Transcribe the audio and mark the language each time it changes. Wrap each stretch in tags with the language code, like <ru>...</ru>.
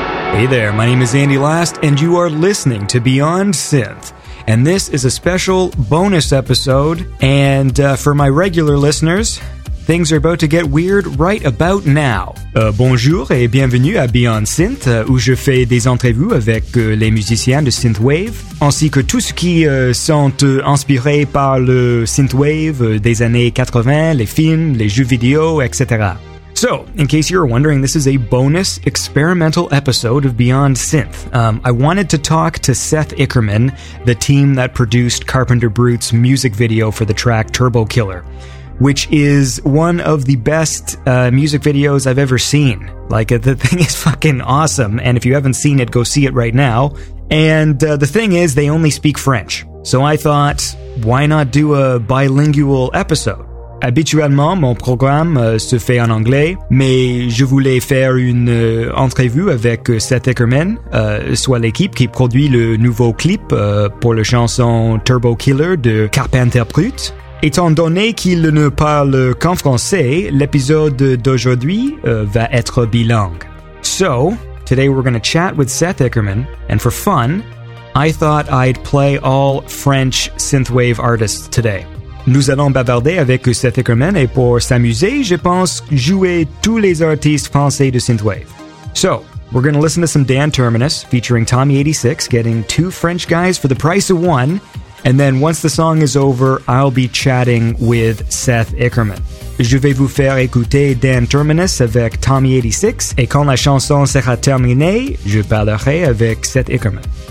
<en>Hey there, my name is Andy Last, and you are listening to Beyond Synth. And this is a special bonus episode, and for my regular listeners, things are about to get weird right about now.</en> <fr>Bonjour et bienvenue à Beyond Synth, où je fais des entrevues avec les musiciens de Synthwave, ainsi que tous ceux qui sont inspirés par le Synthwave des années 80, les films, les jeux vidéo, etc.</fr> <en>So, in case you're wondering, this is a bonus experimental episode of Beyond Synth. I wanted to talk to Seth Ickerman, the team that produced Carpenter Brute's music video for the track Turbo Killer, which is one of the best music videos I've ever seen. Like, the thing is fucking awesome, and if you haven't seen it, go see it right now. And the thing is, they only speak French. So I thought, why not do a bilingual episode?</en> <fr>Habituellement, mon programme se fait en anglais, mais je voulais faire une entrevue avec Seth Ickerman, soit l'équipe qui produit le nouveau clip pour la chanson Turbo Killer de Carpenter Brut. Étant donné qu'il ne parle qu'en français, l'épisode d'aujourd'hui va être bilingue.</fr> <en>So, today we're going to chat with Seth Ickerman, and for fun, I thought I'd play all French synthwave artists today.</en> <fr>Nous allons bavarder avec Seth Ickerman et pour s'amuser, je pense jouer tous les artistes français de synthwave.</fr> <en>So, we're going to listen to some Dan Terminus featuring Tommy 86 getting two French guys for the price of one, and then once the song is over, I'll be chatting with Seth Ickerman.</en> <fr>Je vais vous faire écouter Dan Terminus avec Tommy 86 et quand la chanson sera terminée, je parlerai avec Seth Ickerman.</fr>